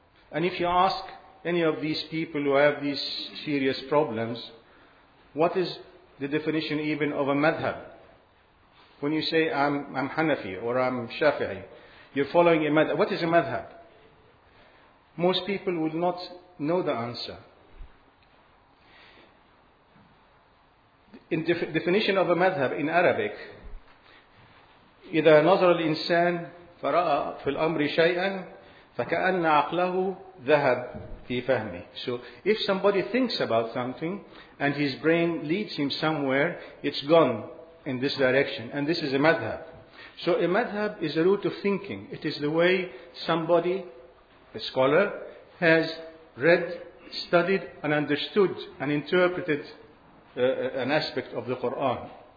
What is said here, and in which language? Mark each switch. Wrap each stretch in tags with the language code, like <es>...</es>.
<en>And if you ask any of these people who have these serious problems, what is the definition even of a madhab? When you say, I'm Hanafi or I'm Shafi'i, you're following a madhab. What is a madhab? Most people will not know the answer. In definition of a madhab in Arabic,</en> <ar>إِذَا نَظْرَ الْإِنسَانِ فَرَأَى فِي الْأَمْرِ شَيْئًا فَكَأَنَّ عَقْلَهُ ذَهَبْ فِي فَهْمِ.</ar> <en>So if somebody thinks about something and his brain leads him somewhere, it's gone in this direction. And this is a madhab. So a madhab is a route of thinking. It is the way somebody, a scholar, has read, studied, and understood and interpreted an aspect of the Quran.</en>